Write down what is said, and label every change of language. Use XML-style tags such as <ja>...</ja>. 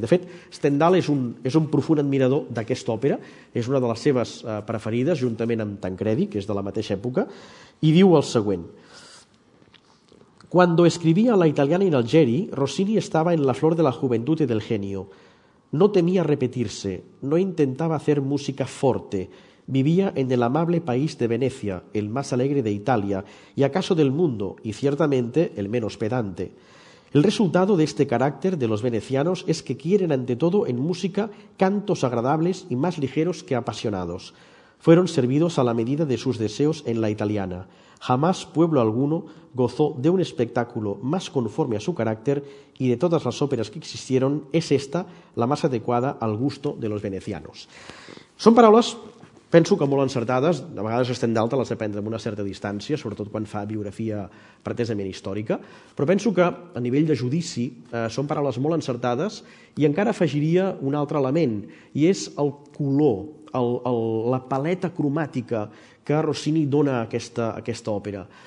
<ca>De fet, Stendhal és un profund admirador d'aquesta òpera, és una de les seves preferides, juntament amb Tancredi, que és de la mateixa època, i diu el següent:</ca> <es>«Cuando escribía la italiana y l'algeri, Rossini estaba en la flor de la juventud y del genio. No temía repetirse, no intentaba hacer música forte, Vivía en el amable país de Venecia, el más alegre de Italia, y acaso del mundo, y ciertamente el menos pedante. El resultado de este carácter de los venecianos es que quieren ante todo en música cantos agradables y más ligeros que apasionados. Fueron servidos a la medida de sus deseos en la italiana. Jamás pueblo alguno gozó de un espectáculo más conforme a su carácter, y de todas las óperas que existieron, es esta la más adecuada al gusto de los venecianos.</es> <ca>Són paraules, penso que molt encertades, a vegades estem d'alta, les aprendre amb una certa distància, sobretot quan fa biografia pretesament històrica, però penso que a nivell de judici són paraules molt encertades, i encara afegiria un altre element, i és el color, la paleta cromàtica que Rossini dona a aquesta òpera.</ca>